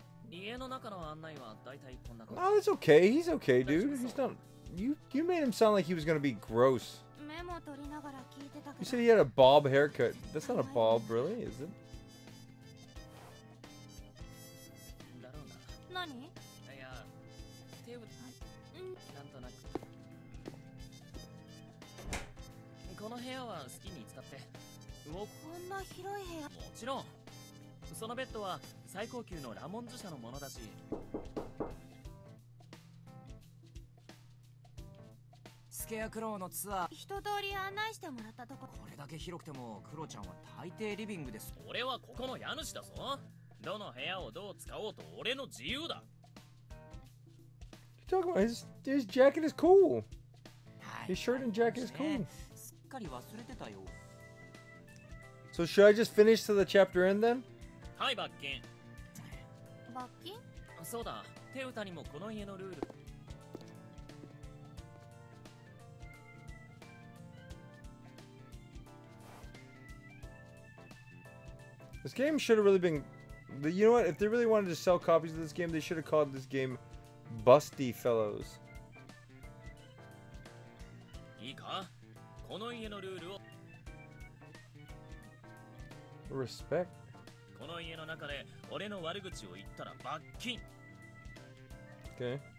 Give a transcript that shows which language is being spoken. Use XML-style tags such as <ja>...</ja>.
<ja>家の中の案内はだいたいこんな感じ。</ja> <en>Oh, it's okay. He's okay, dude. He's not... You made him sound like he was gonna be gross.</en> <ja>メモ取りながら聞いてたから。</ja> <en>You said he had a bob haircut. That's not a bob, really, is it?</en> <ja>だろうな。何？いや、テーブル。なんとなく。この部屋は好きに使って。こんな広い部屋。もちろん。そのベッドは最高級のラモンズ社のものだし。スケアクローのツアー一通り案内してもらったとこ。これだけ広くてもクロちゃんは大抵リビングです。俺はここの家主だぞ。どの部屋をどう使おうと俺の自由だ。</ja> <en>talking about his jacket is cool. His shirt and jacket is cool.</en> <ja>すっかり忘れてたよ。</ja> <en>So should I just finish to the chapter end then?</en> <ja>はい、罰金。罰金？そうだ、テウタにもこの家のルール。</ja> <en>This game should have really been... You know what? If they really wanted to sell copies of this game, they should have called this game Busty Fellows.</en> <ja>いいか？この家のルールを。</ja> <en>Respect.</en> <ja>この家の中で俺の悪口を言ったら罰金。</ja> <en>Okay.</en>